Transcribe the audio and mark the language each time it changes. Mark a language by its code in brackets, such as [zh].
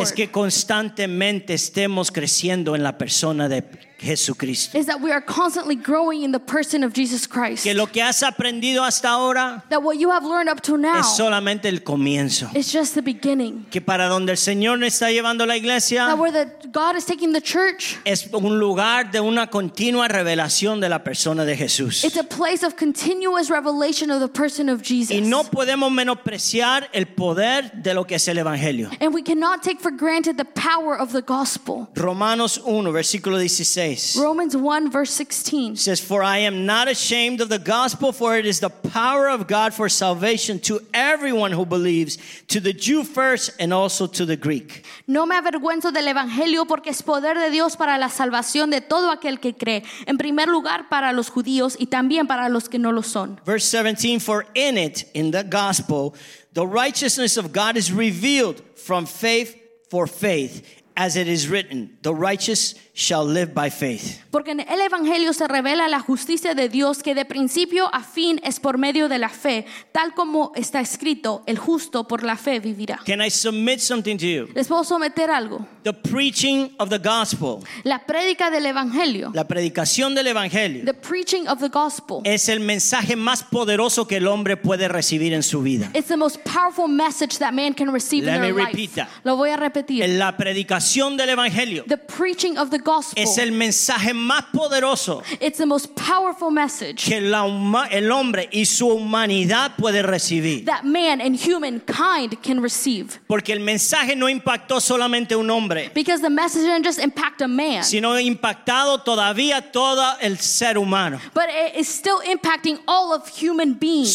[es] es que constantemente estemos creciendo en la persona de Jesucristo. [en] Is that we are constantly growing in the person of Jesus Christ. [es] Que lo que has aprendido hasta ahora, [en] that what you have learned up to now, [es] es solamente el comienzo. [en] It's just the beginning. [es] Que para donde el Señor está llevando la iglesia, [en] that where God is taking the church, [es] es un lugar de una continua revelación de la persona de Jesús. [en] It's a place of continuous revelation of the person of Jesus. [es] Y no podemos menospreciar el poder de lo que es el evangelio. [en] And we cannot take for granted the power of the gospel. [es] Romanos 1, versículo 16. [en] Romans 1 verse 16 says, for I am not ashamed of the gospel, for it is the power of God for salvation to everyone who believes, to the Jew first and also to the Greek. [es] No me avergüenzo del evangelio porque es poder de Dios para la salvación de todo aquel que cree, en primer lugar para los judíos y también para los que no lo son. [en] Verse 17, for in it, in the gospel, the righteousness of God is revealed from faith for faith. As it is written, the righteous shall live by faith. [es] Porque en el evangelio se revela la justicia de Dios que de principio a fin es por medio de la fe, tal como está escrito, el justo por la fe vivirá. [en] Can I submit something to you? [es] ¿Les puedo someter algo? [en] The preaching of the gospel. [es] La prédica del evangelio. La predicación del evangelio. [en] The preaching of the gospel. [es] Es el mensaje más poderoso que el hombre puede recibir en su vida. [en] It's the most powerful message that man can receive in their life. Let me repeat that. [es] Lo voy a repetir. La predicación del evangelio. [en] The preaching of the gospel. [es] Es el mensaje más poderoso. [en] It's the most powerful message. [es] Que el hombre y su humanidad puede recibir. [en] That man and humankind can receive. [es] Porque el mensaje no impactó solamente un hombre. [en] Because the message didn't just impact a man. [es] Sino impactado todavía todo el ser humano. [en] But it is still impacting all of human beings.